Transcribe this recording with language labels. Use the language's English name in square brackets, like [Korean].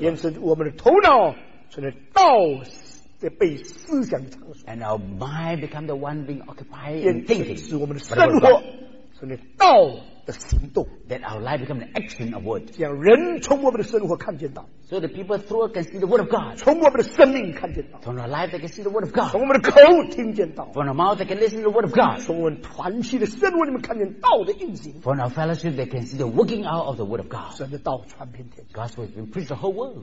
[Chinese] 愿神使我们的头脑成为道的被思想的场所 [English] And our mind become the one being occupied in thinking [Chinese] 愿神使我们的生活成为道的行动 [English] that our life become an action of word [Chinese] 让人从我们的生活看见到 [English] so the people through can see the word of God [Chinese] 从我们的生命看见到 [English] from our life they can see the word of God [Chinese] 从我们的口听见到 [English] from our mouth they can listen to the word of God [Chinese] 从我们团契的生活里面看见道的运行 [English] from our fellowship they can see the working out of the word of God [Chinese] 神的道传遍天下 [English] God's word has been preached the whole world